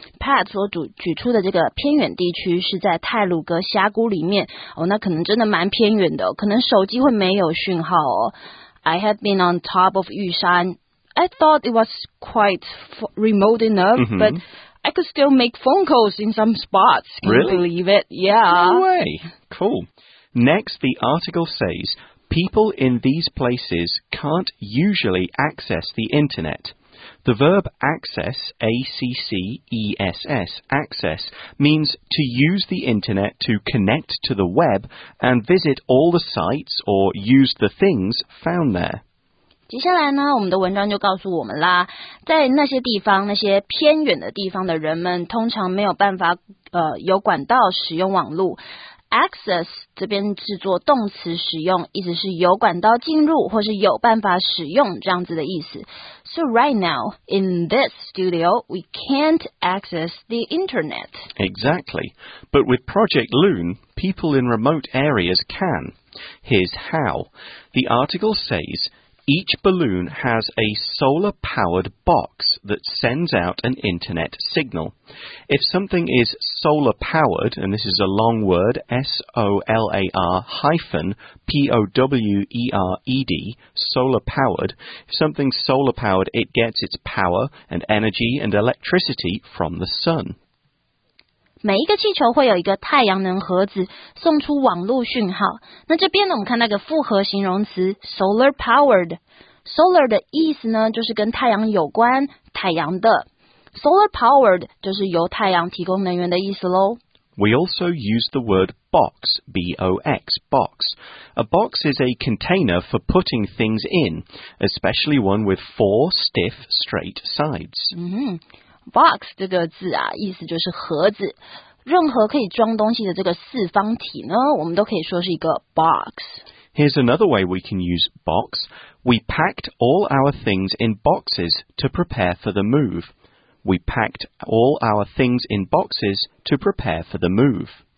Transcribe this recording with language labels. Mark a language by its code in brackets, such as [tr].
[zh] Pat 所举出的这个偏远地区是在太鲁阁峡谷里面，哦，那可能真的蛮偏远的，可能手机会没有讯号哦。 [en] I had been on top of Yushan. I thought it was quite remote enough, but I could still make phone calls in some spots. Can really? You believe it? Yeah. No way. Cool. Next, the article says... People in these places can't usually access the internet. The verb access, A-C-C-E-S-S, access, means to use the internet to connect to the web and visit all the sites or use the things found there. [zh] 接下来呢，我们的文章就告诉我们啦，在那些地方，那些偏远的地方的人们通常没有办法有管道使用网路。 Access 这边是做动词使用，意思是有管道进入或是有办法使用这样子的意思。 [en] So right now, in this studio, we can't access the internet. Exactly. But with Project Loon, people in remote areas can. Here's how. The article says... Each balloon has a solar-powered box that sends out an internet signal. If something is solar-powered, and this is a long word, S-O-L-A-R hyphen P-O-W-E-R-E-D, solar-powered, if something's solar-powered, it gets its power and energy and electricity from the sun. [zh] 每一个气球会有一个太阳能盒子送出网路讯号。那这边呢，我们看那个复合形容词 solar powered。 solar 的意思呢，就是跟太阳有关，太阳的。 solar powered 就是由太阳提供能源的意思咯。 [en] We also use the word box, B-O-X, box. A box is a container for putting things in, especially one with four stiff, straight sides. [zh] Box 这个字啊，意思就是盒子。任何可以装东西的这个四方体呢，我们都可以说是一个 box。 [en] Here's another way we can use box. We packed all our things in boxes to prepare for the move. We packed all our things in boxes to prepare for the move.